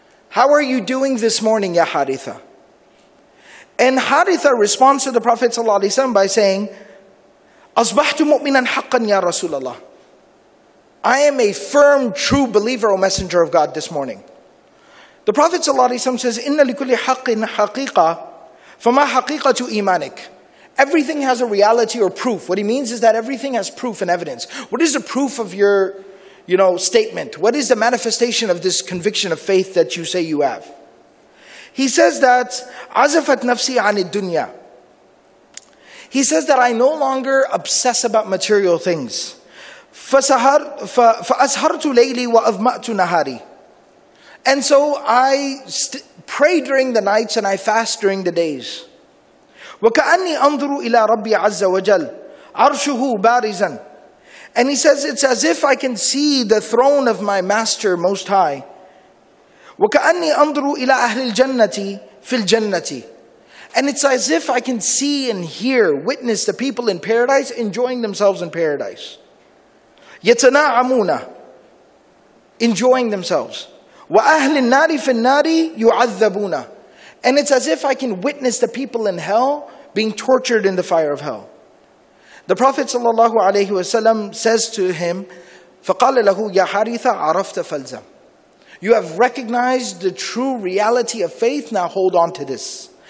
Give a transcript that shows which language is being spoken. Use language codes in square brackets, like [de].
[en] How are you doing this morning, يَا حَارِثَ? And Haritha responds to the Prophet ﷺ by saying, [ar] أَصْبَحْتُ مُؤْمِنًا حَقًّا يَا رَسُولَ اللَّهِ? [en] I am a firm, true believer, O Messenger of God, this morning. The Prophet ﷺ says, [ar] إِنَّ لِكُلِّ حَقٍ حَقِيقًا فَمَا حَقِيقَةُ إِيمَانِكَ? [en] Everything has a reality or proof. What he means is that everything has proof and evidence. What is the proof of your, you know, statement? What is the manifestation of this conviction of faith that you say you have? He says that, [ar] عَزَفَتْ نَفْسِي عَنِ الدُّنْيَا. [en] He says that I no longer obsess about material things. [ar] فَأَسْهَرْتُ لَيْلِي وَأَضْمَأْتُ نَهَارِي. [en] And so I pray during the nights and I fast during the days. [ar] وَكَأَنِّي أَنْظُرُ إِلَىٰ رَبِّي عَزَّ وَجَلَّ عَرْشُهُ بَارِزًا. [en] And he says, it's as if I can see the throne of my Master Most High. [ar] وَكَأَنِّي أَنْظُرُ إِلَىٰ أَهْلِ الْجَنَّةِ فِي الْجَنَّةِ. [en] And it's as if I can see and hear, witness the people in paradise enjoying themselves in paradise. [ar] يَتَنَاعَمُونَ. [en] Enjoying themselves. [ar] وَأَهْلِ النَّارِ فِي النَّارِ يُعَذَّبُونَ. [en] And it's as if I can witness the people in hell being tortured in the fire of hell. The Prophet sallallahu alayhi wa sallam says to him, [ar] فَقَالَ لَهُ يَا حَرِيثَ عَرَفْتَ فَلْزَمْ. [en] You have recognized the true reality of faith, now hold on to this.